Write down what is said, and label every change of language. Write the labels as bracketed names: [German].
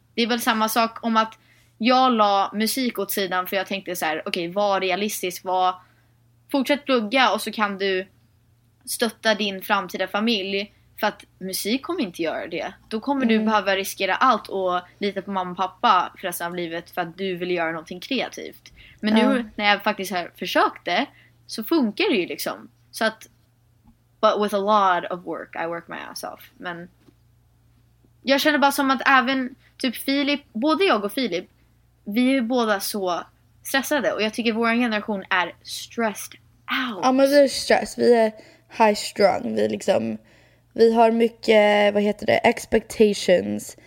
[Swedish] Det är väl samma sak om att jag la musik åt sidan för jag tänkte så här: okej, okay, var realistisk, var, fortsätt plugga och så kan du stötta din framtida familj. För att musik kommer inte göra det. Då kommer du behöva riskera allt och lita på mamma och pappa för resten av livet för att du vill göra någonting kreativt. Men nu när jag faktiskt har försökt det, så funkar det ju liksom. Så att [English] But with a lot of work, I work my ass off. [Swedish] Men jag känner bara som att även typ Filip, både jag och Filip, vi är båda så stressade. Och jag tycker vår generation är [English] stressed out. [Swedish] Ja, men vi är [English] stressed. [Swedish] Vi är [English] high strung. [Swedish] Vi liksom, vi har mycket, vad heter det, expectations.